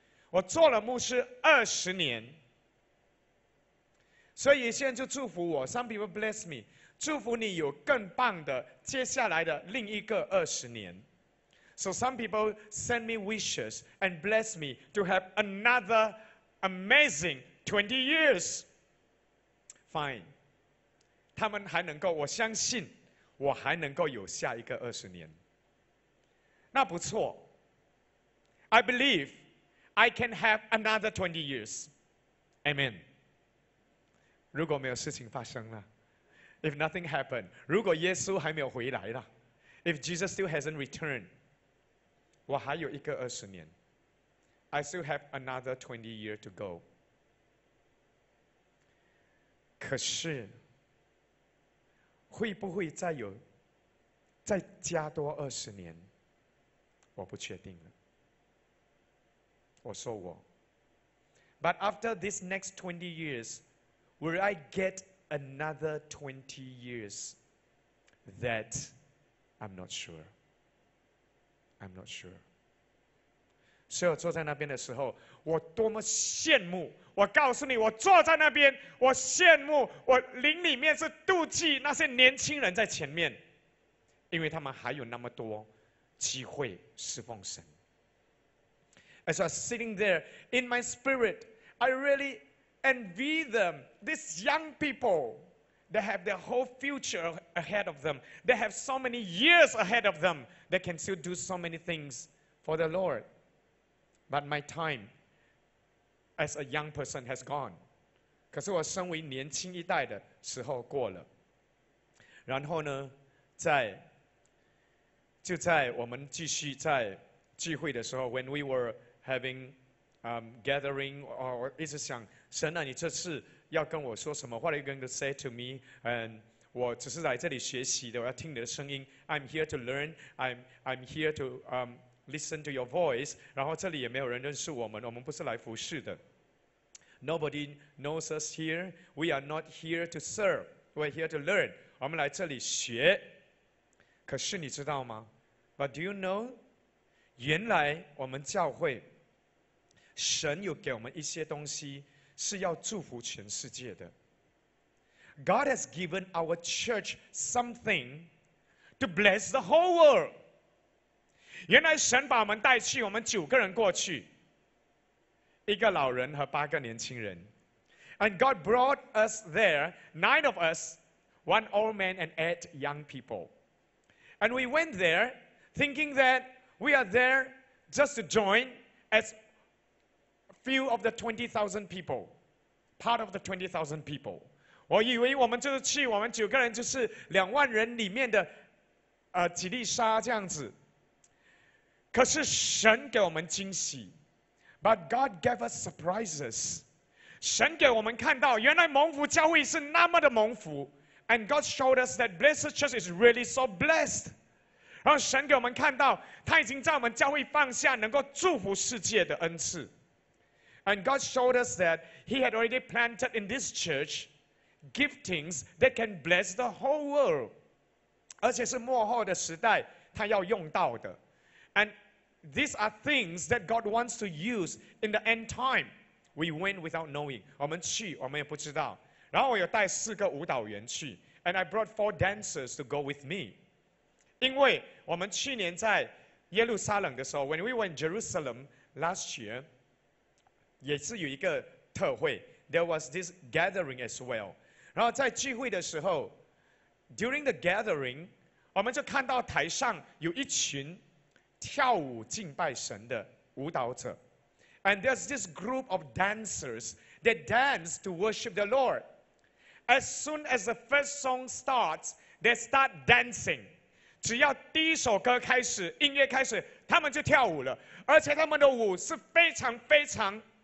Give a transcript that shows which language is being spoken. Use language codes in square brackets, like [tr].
[zh] 我做了牧师20年。所以现在就祝福我， [en] some people bless me, [zh] 祝福你有更棒的接下来的另一个20年。 [en] So some people send me wishes and bless me to have another amazing 20 years. Fine. [zh] 他们还能够，我相信我还能够有下一个20年。那不错。 [en] I believe I can have another 20 years. Amen. [zh] 如果没有事情发生了， [en] if nothing happened, [zh] 如果耶稣还没有回来了， [en] if Jesus still hasn't returned, [zh] 我还有一个20年。 [en] I still have another 20 years to go. [zh] 可是会不会再有再加多20年，我不确定了。我说我 [en] But after this next 20 years, will I get another 20 years? That I'm not sure. I'm not sure. [zh] 所以我坐在那边的时候，我多么羡慕，我告诉你，我坐在那边，我羡慕，我灵里面是妒忌那些年轻人在前面，因为他们还有那么多机会侍奉神。 [en] As I was sitting there in my spirit, I really envy them, these young people, they have their whole future ahead of them, they have so many years ahead of them, they can still do so many things for the LordBut my time as a young person has gone. [zh] 可是我身为年轻一代的时候过了。然后呢，就在我们继续在聚会的时候 ， [en] when we were having gathering， [zh] 哦，我一直想，神啊，你这次要跟我说什么 ？ [en] What are you going to say to me？ [zh] 嗯，我只是来这里学习的，我要听你的声音。 [en] I'm here to learn. I'm here to listen to your voice. [zh] 然后这里也没有人认识我们，我们不是来服事的。 [en] Nobody knows us here. We are not here to serve. We're here to learn. [zh] 我们来这里学。可是你知道吗 ？ [en] But do you know？ [zh] 原来我们教会，神有给我们一些东西是要祝福全世界的。 [en] God has given our church something to bless the whole world. [zh] 原来神把我们带去，我们九个人过去，一个老人和八个年轻人。 [en] And God brought us there, nine of us, one old man and eight young people. And we went there thinking that we are there just to join as few of the 20,000 people, part of the 20,000 people. [zh] 我以为我们就是去，我们九个人就是两万人里面的，几粒沙这样子。可是神给我们惊喜 ， [en] But God gave us surprises。 [zh] 神给我们看到，原来蒙福教会是那么的蒙福 [en] ，And God showed us that Blessed Church is really so blessed。 [zh] 然后神给我们看到，他已经在我们教会放下能够祝福世界的恩赐 ， [en] And God showed us that He had already planted in this church。 Giftings that can bless the whole world. [zh] 而且是末后的时代他要用到的。 [en] And these are things that God wants to use in the end time. We went without knowing. [zh] 我们去我们也不知道。然后我有带四个舞蹈员去。 [en] And I brought four dancers to go with me. [zh] 因为我们去年在耶路撒冷的时候 , [en] when we went to Jerusalem last year, [zh] 也是有一个特会。 [en] There was this gathering as well. [zh] 然后在聚会的时候 [en] ，during the gathering， [zh] 我们就看到台上有一群跳舞敬拜神的舞蹈者 [en] ，and there's this group of dancers that dance to worship the Lord. As soon as the first song starts, they start dancing. [zh] 只要第一首歌开始，音乐开始，他们就跳舞了，而且他们的舞是非常非常。